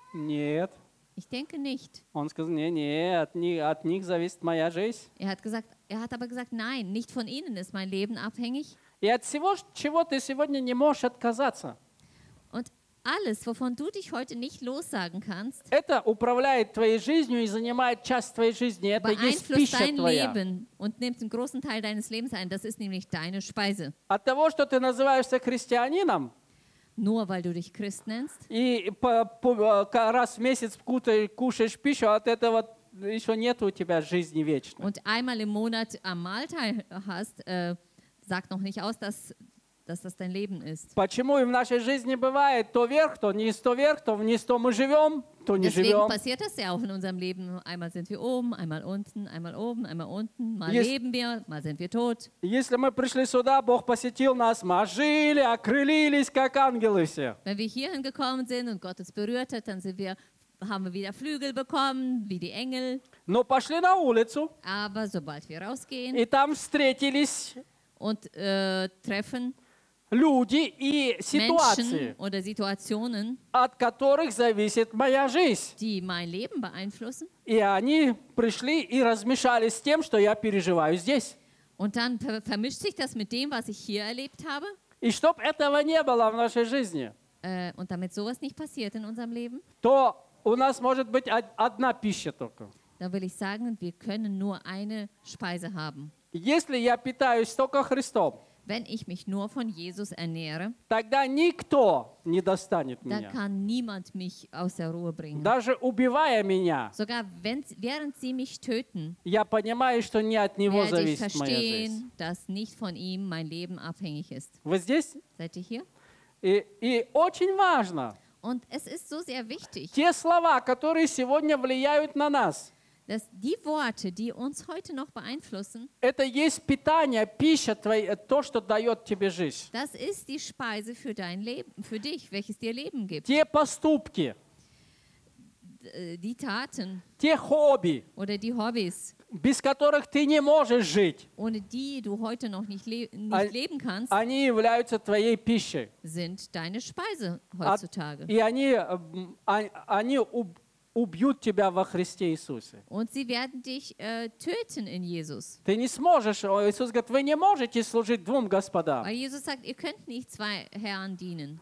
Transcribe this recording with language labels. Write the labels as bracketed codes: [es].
[ru] Нет. [de] Ich denke nicht. [ru] Он сказал, нет, от них зависит моя жизнь. [de] Er hat gesagt, er hat aber gesagt, nein, nicht von ihnen ist mein Leben abhängig. [ru] И от всего, чего ты сегодня не можешь отказаться. [de] Und alles, wovon du dich heute nicht lossagen kannst, [ru] это управляет твоей жизнью и занимает часть твоей жизни. Это есть пища [de] dein [ru] твоя. [de] Leben und nimmt einen großen Teil deines Lebens ein. Das ist nämlich deine Speise. [ru] От того, что ты называешься христианином, [de] nur weil du dich Christ nennst. [ru] И раз в месяц кушаешь пищу, от этого еще нет у тебя жизни вечной. [de] Und einmal im Monat am Mahl hast, sagt noch nicht aus, dass das dein Leben ist. [ru] Почему в нашей жизни бывает то вверх, то вниз, то вверх, то вниз, то мы живем, то не [de] Deswegen [ru] живем. [de] Passiert das ja auch in unserem Leben. Einmal sind wir oben, einmal unten, einmal oben, einmal unten. Mal leben wir, mal sind wir tot. [ru] Если мы пришли сюда, Бог посетил нас, мы ожили, окрылились, как ангелы все. [de] Wenn wir hierhin gekommen sind und Gott uns berührt hat, dann sind wir, haben wir wieder Flügel bekommen, wie die Engel. [ru] Но пошли на улицу. [de] Aber sobald wir rausgehen. [ru] И там встретились. [de] Und treffen [ru] люди и ситуации, от которых зависит моя жизнь. [de] Die mein Leben beeinflussen. [ru] И они пришли и размешались с тем, что я переживаю здесь. [de] Und dann vermischt sich das mit dem, was ich hier erlebt habe. [ru] И чтоб этого не было в нашей жизни, [de] und damit sowas nicht passiert in unserem Leben, [ru] то у нас может быть одна пища только. [de] Dann will ich sagen, wir können nur eine Speise haben. [ru] Если я питаюсь только Христом, [de] wenn ich mich nur von Jesus ernähre, [ru] тогда никто не достанет меня. [de] Dann kann niemand mich aus der Ruhe bringen. [ru] Даже убивая меня, [de] sogar wenn, während sie mich töten, [ru] я понимаю, что не от Него зависит моя жизнь. [de] Werde ich verstehen, dass nicht von ihm mein Leben abhängig ist. [ru] Вы здесь? [de] Seid ihr hier? [ru] И очень важно, [de] und es ist so sehr wichtig, [ru] те слова, которые сегодня влияют на нас, [de] dass die Worte, die uns heute noch beeinflussen, [ru] это есть питание, пища твоя, то, что дает тебе жизнь. [de] Das ist die Speise für dein Leben, für dich, welches dir Leben gibt. [ru] Те поступки, [de] die Taten, [ru] те Хобби, [de] oder die Hobbys, [ru] без которых ты не можешь жить, [de] ohne die du heute noch nicht leben kannst, [ru] они являются твоей пищей, [de] sind deine Speise heutzutage. [ru] И они убьют тебя во Христе Иисусе. [de] Und sie werden dich töten in Jesus. [ru] Ты не сможешь, Иисус говорит, вы не можете служить двум господам. [de] Weil Jesus sagt, ihr könnt nicht zwei Herren dienen.